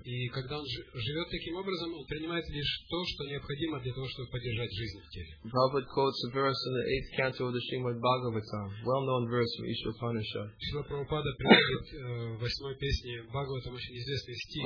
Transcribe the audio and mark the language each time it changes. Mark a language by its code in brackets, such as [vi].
[ru] И когда он живет таким образом, он принимает лишь то, что необходимо для того, чтобы поддержать жизнь в теле. [en] Prabhupada quotes a verse in the 8th canto of the Srimad Bhagavatam, well-known verse from Isha Upanishad. [ru] Шрила Прабхупада приводит в 8-й песне Бхагаватам очень известный стих.